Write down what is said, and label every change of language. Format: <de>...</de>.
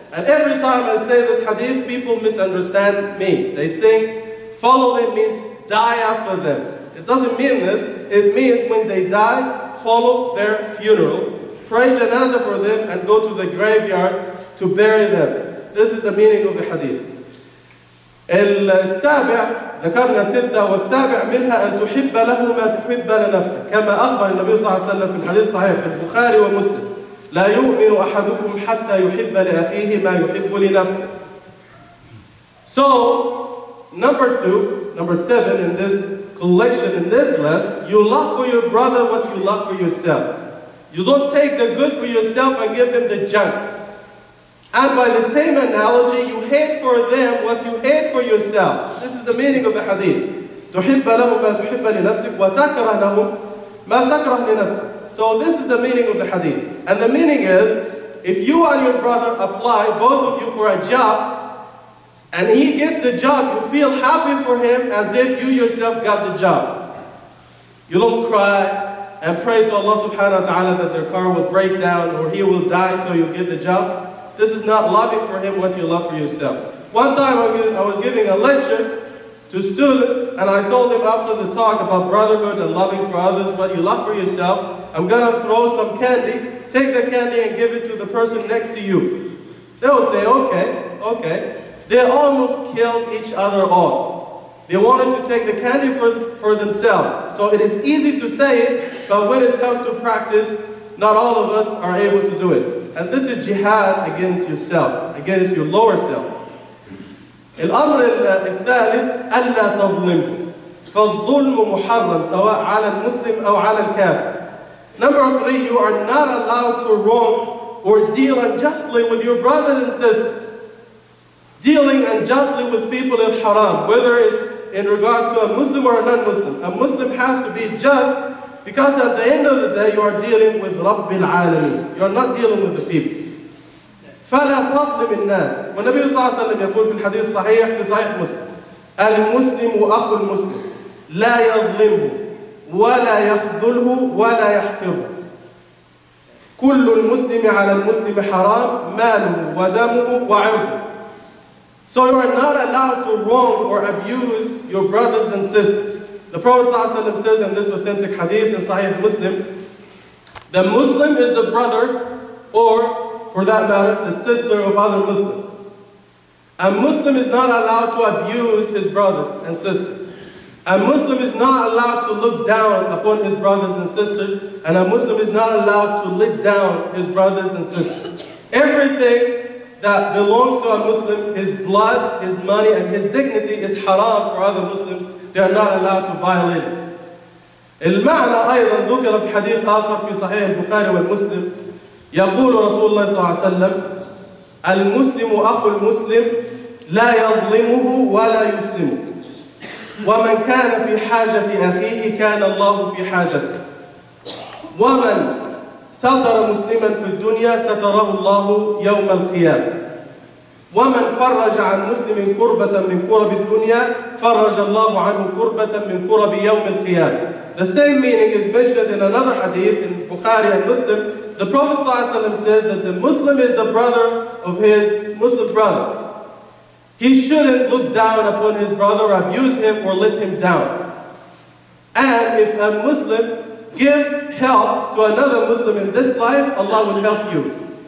<en>And every time I say this hadith, people misunderstand me. They think follow them means die after them. It doesn't mean this. It means when they die, follow their funeral, pray janazah for them, and go to the graveyard to bury them. This is the meaning of the hadith.</en> <ar>السابع ذكرنا ستة والسابع منها أن تحب له ما تحب لنفسك كما أخبر النبي صلى الله عليه وسلم في الحديث الصحيح في البخاري ومسلم لا يؤمن أحدكم حتى يحب لأخيه ما يحب لنفسه.</ar> <en>So number two, number seven in this collection, in this list, you love for your brother what you love for yourself. You don't take the good for yourself and give them the junk. And by the same analogy, you hate for them what you hate for yourself. This is the meaning of the hadith.</en> <ar>تحب لهم ما تحب لنفسك وتكره لهم ما تكره لنفسك.</ar> <en>So this is the meaning of the hadith. And the meaning is, if you and your brother apply, both of you, for a job, and he gets the job, you feel happy for him as if you yourself got the job. You don't cry and pray to Allah subhanahu wa ta'ala that their car will break down or he will die so you get the job. This is not loving for him what you love for yourself. One time I was giving a lecture to students and I told them after the talk about brotherhood and loving for others what you love for yourself, I'm going to throw some candy, take the candy and give it to the person next to you. They will say, okay, okay. They almost killed each other off. They wanted to take the candy for themselves. So it is easy to say it, but when it comes to practice, not all of us are able to do it. And this is jihad against yourself, against your lower self.</en> <ar>الأمر الثالث ألا تظلم فالظلم محرم سواء على المسلم أو على الكافر.</ar> <en>Number three, you are not allowed to wrong or deal unjustly with your brothers and sisters. Dealing unjustly with people is haram, whether it's in regards to a Muslim or a non-Muslim. A Muslim has to be just, because at the end of the day, you are dealing with Rabbil Alameen. You are not dealing with the people.</en> <ar>فَلَا تَظْلِمِ النَّاسِ وَالنَّبِي صلى الله عليه وسلم يقول في الحديث الصحيح في صحيح مسلم المسلم أخو المسلم لا يظلمه ولا يخذله ولا يحقره كل المسلم على المسلم حرام ماله ودمه وعرضه.</ar> <en>So you are not allowed to wrong or abuse your brothers and sisters. The Prophet ﷺ says in this authentic hadith in Sahih Muslim, the Muslim is the brother, or for that matter, the sister of other Muslims. A Muslim is not allowed to abuse his brothers and sisters. A Muslim is not allowed to look down upon his brothers and sisters, and a Muslim is not allowed to look down his brothers and sisters. Everything that belongs to a Muslim, his blood, his money, and his dignity is haram for other Muslims. They are not allowed to violate it.</en> <ar>المعنى أيضا ذكر في حديث آخر في صحيح البخاري والمسلم يقول رسول الله صلى الله عليه وسلم المسلم أخو المسلم لا يظلمه ولا يسلمه ومن كان في حاجة أخيه كان الله في حاجته ومن ستر مسلما في الدنيا ستره الله يوم القيامة ومن فرج عن مسلم كربة من كرب الدنيا فرج الله عنه كربة من كرب يوم القيامة.</ar> <en>The same meaning is mentioned in another hadith in Bukhari and Muslim. The Prophet ﷺ says that the Muslim is the brother of his Muslim brother. He shouldn't look down upon his brother, abuse him, or let him down. And if a Muslim gives help to another Muslim in this life, Allah will help you.</en>